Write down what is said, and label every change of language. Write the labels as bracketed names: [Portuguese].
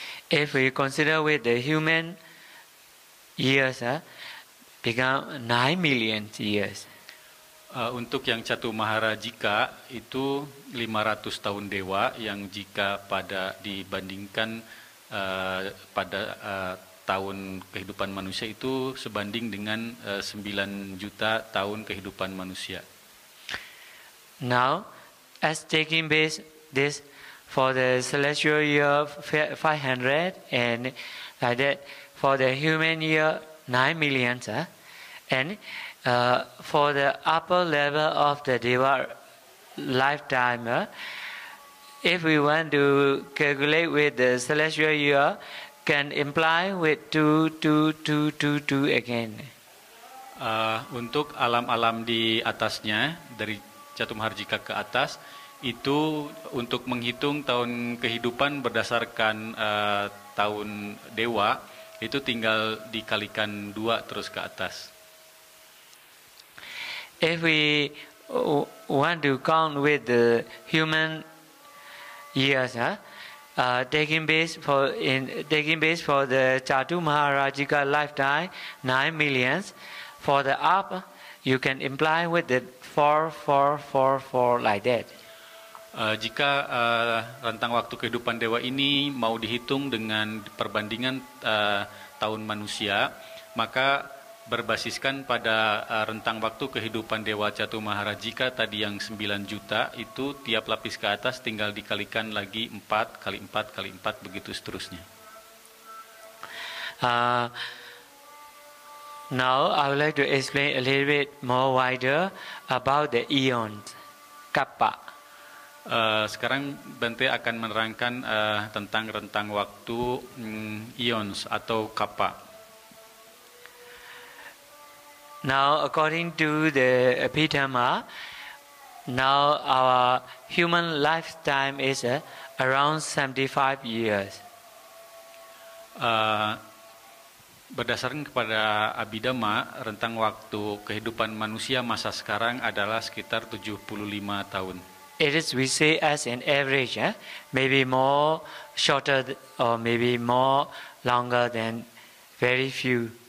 [English] If we consider with the human years, become 9 million years. [Indonesian] Untuk yang Catu Mahara Jika itu 500 tahun dewa, yang jika pada dibandingkan pada tahun kehidupan manusia itu sebanding dengan 9 juta tahun kehidupan manusia. [English] Now, as taking base this for the celestial year 500 and like that for the human year 9 million, and for the upper level of the deva lifetime, if we want to calculate with the celestial year, can imply with 2, 2, 2, 2, 2 again. [Indonesian] Untuk alam-alam di atasnya, dari Catumharjika ke atas, itu untuk menghitung tahun kehidupan berdasarkan tahun dewa, itu tinggal dikalikan 2 terus ke atas. [English] If we want to count with the human years, taking base for the Catu Maharajika lifetime, 9 million, for the up, you can imply with the 4, 4, 4, 4 like that. [Indonesian] Jika rentang waktu kehidupan dewa ini mau dihitung dengan perbandingan tahun manusia, maka berbasiskan pada rentang waktu kehidupan Dewa Catu Maharajika tadi yang 9 juta, itu tiap lapis ke atas tinggal dikalikan lagi 4 kali 4 kali 4 begitu seterusnya. [English] Now I would like to explain a little bit more wider about the eons, kappa. [Indonesian] Sekarang Bante akan menerangkan tentang rentang waktu eons atau kappa. [English] Now, according to the Abhidhamma, now our human lifetime is around 75 years. [Indonesian] Berdasarkan kepada Abhidhamma, rentang waktu kehidupan manusia masa sekarang adalah sekitar 75 tahun. [English] It is, we say, as an average, maybe more shorter or maybe more longer than very few.